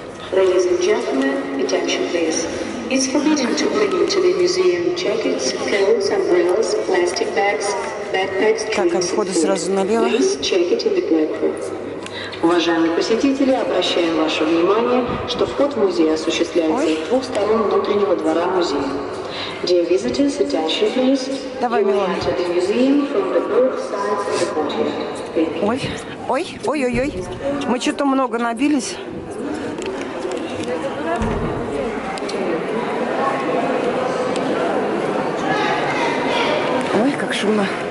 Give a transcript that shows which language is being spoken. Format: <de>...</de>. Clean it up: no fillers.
<en>Ladies and gentlemen, attention please. It's forbidden to bring into the museum jackets, clothes, umbrellas, plastic bags, backpacks, trays, food. Please check it in the black room.</en> <ru>Уважаемые посетители, обращаем ваше внимание, что вход в музей осуществляется с двух сторон внутреннего двора музея.</ru> <en>Dear visitors, attention please.</en> <ru>Давай, Милан.</ru> <en>You may enter the museum from the both sides of the courtyard.</en> <ru>Ой, ой, ой, ой, ой. Мы что-то много набились. Шумно.</ru>